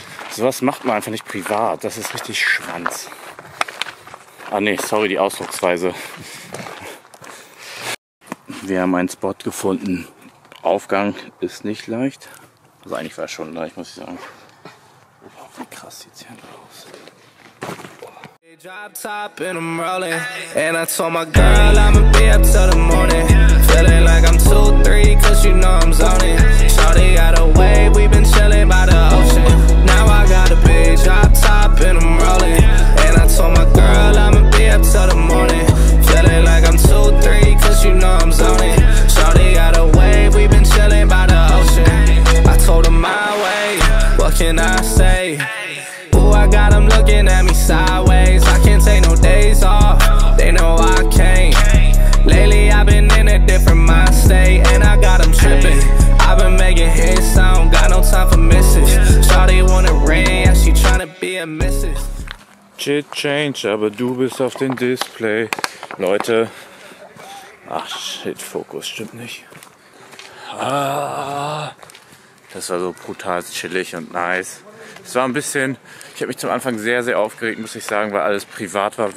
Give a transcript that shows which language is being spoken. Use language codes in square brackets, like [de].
[de] Sowas macht man einfach nicht privat. Das ist richtig Schwanz. Ah nee, sorry, die Ausdrucksweise. Wir haben einen Spot gefunden. Aufgang ist nicht leicht. Also eigentlich war es schon leicht, muss ich sagen. Wie krass sieht es hier aus. [en] Drop top and I'm rolling. And I told my girl I'ma be up till the morning. Feeling like I'm 2-3 cause you know I'm zoning. Shorty got a wave, we been chilling by the ocean. Now I got a big drop top and I'm rolling. And I told my girl I'ma be up till the morning. Feeling like I'm 2-3 cause you know I'm zoning. Shorty got a wave, we been chilling by the ocean. I told her my way, what can I say? Ooh, I got them looking at me sideways. I can't take no days off, they know I can't. Lately I've been in a different mind state. And I got them tripping, I've been making hits, I don't got no time for misses. Shawty wanna ring, yeah, she tryna be a missus. Shit change, [de] aber du bist auf dem Display. Leute, ach shit, Fokus stimmt nicht. Ah, das war so brutal chillig und nice. Es war ein bisschen, ich habe mich zum Anfang sehr, sehr aufgeregt, muss ich sagen, weil alles privat war.